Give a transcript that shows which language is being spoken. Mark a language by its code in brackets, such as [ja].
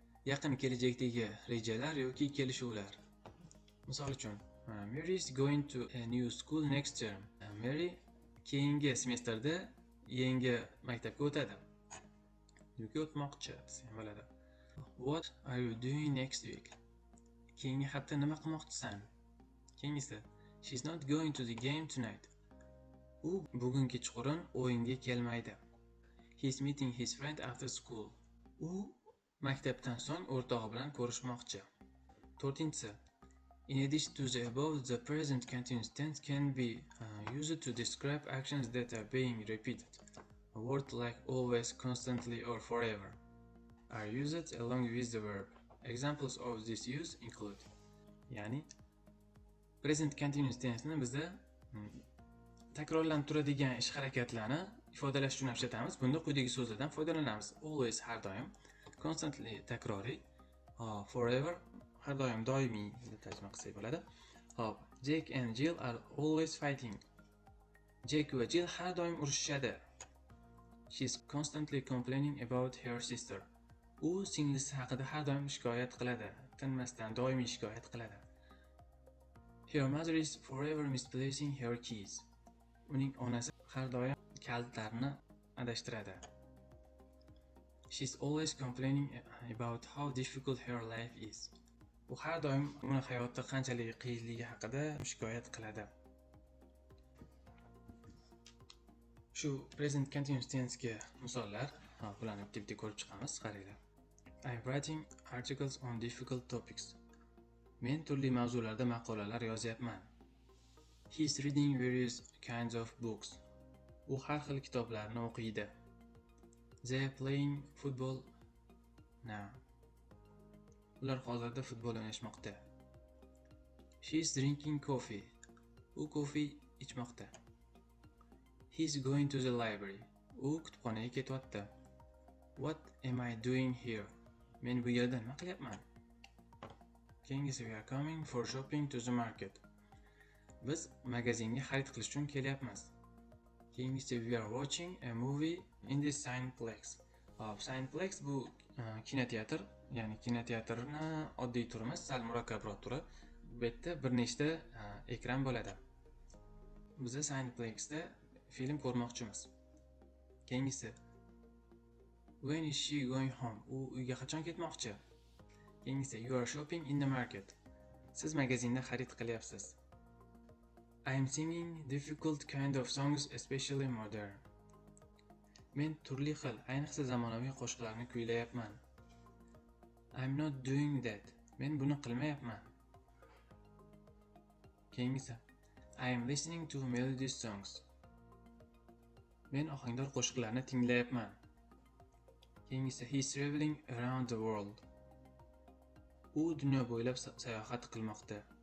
[uz] Yaqin kelajakdagi rejalar yoki kelishuvlar. Misol uchun, [en] Mary is going to a new school next term. [uz] Mary keyingi semestrda yangi maktabga o'tadi. Yoki o'tmoqchi, sen bilasan. [en] What are you doing next week? [uz] Keyingi hafta nima qilmoqchisan? [en] Keyingisi, she's not going to the game tonight. [uz] U bugun kechqurun o'yinga kelmaydi. [en] He's meeting his friend after school. [uz] U maktabdan so'ng o'rtog'i bilan ko'rishmoqchi. 4-chi. [en] In addition to the above, the present continuous tense can be used to describe actions that are being repeated. A word like always, constantly, or forever are used along with the verb. Examples of this use include. [uz] Ya'ni present continuous tense-ni bizda takrorlanadigan ish harakatlarni ifodalash uchun ishlatamiz. Bunda quyidagi so'zlardan foydalanamiz. Always har doim, constantly takroriy, forever har doim doimiy deb tarjima qilsak bo'ladi. [en] Hop, Jake and Jill are always fighting. [uz] Jake va Jill har doim urushishadi. [en] She's constantly complaining about her sister. [uz] U singlisi haqida har doim shikoyat qiladi, tinmasdan doimiy shikoyat qiladi. [en] Her mother is forever misplacing her keys. [uz] Uning onasi har doim kalitlarini adashtiradi. [en] She's always complaining about how difficult her life is. [uz] U har doim uning hayoti qanchalik qiyinligi haqida shikoyat qiladi. Shu present continuous tense-ga misollar, bularni tip-tip ko'rib chiqamiz, qaranglar. [en] I'm writing articles on difficult topics. [uz] Men turli mavzularda maqolalar yozyapman. [en] He's reading various kinds of books. [uz] U har xil kitoblarni o'qiydi. [en] They're playing football now. [uz] Ular hozirda futbol o'ynashmoqda. [en] She's drinking coffee. [uz] U kofe ichmoqda. [en] He's going to the library. [uz] U kutubxonaga ketyapti. [en] What am I doing here? [uz] Men bu yerda nima qilyapman? [en] Kings, we are coming for shopping to the market. [uz] Biz magazinga xarid qilish uchun kelyapmiz. [en] Kings, we are watching a movie in the Cineplex. [uz] Cineplex bu kinoteatr, ya'ni kinoteatrni oddiy turmas, sal murakkabroq turi. Bu yerda bir nechta ekran bo'ladi. Biz Cineplexda film ko'rmoqchimiz. [en] Kings, when is she going home? [uz] U uyga qachon ketmoqchi? [en] Kings, you are shopping in the market. [uz] Siz magazinda xarid qilyapsiz. [en] I am singing difficult kind of songs, especially modern. [uz] Men turli xil, ayniqsa zamonaviy qo'shiqlarni kuylayapman. [en] I'm not doing that. [uz] Men buni qilmayapman. Keyingisi, [en] I'm listening to melody songs. [uz] Men ohangdor qo'shiqlarni tinglayapman. [en] Keyingisi, he's traveling around the world. [uz] U dunyo bo'ylab sayohat qilmoqda.